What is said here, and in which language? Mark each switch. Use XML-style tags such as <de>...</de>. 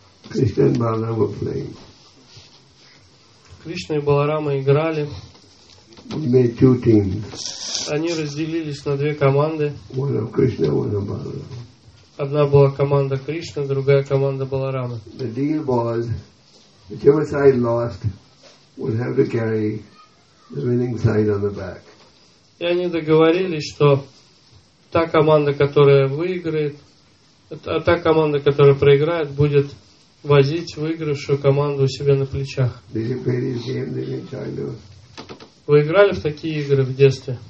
<en>Кришна и Баларама were playing.</en> <ru>Кришна и Баларама играли.</ru> <en>We made two teams.</en> <ru>Они разделились на две команды.</ru> <en>One of Krishna, one of Balarama.</en> <ru>Одна была команда Кришна, другая команда Баларама.</ru> <en>The deal was, whichever side lost would have to carry the winning side on the back.</en> <ru>И они договорились, что та команда, которая выиграет, а та команда, которая проиграет, будет возить выигравшую команду у себя на плечах. Вы играли в такие игры в детстве?</ru>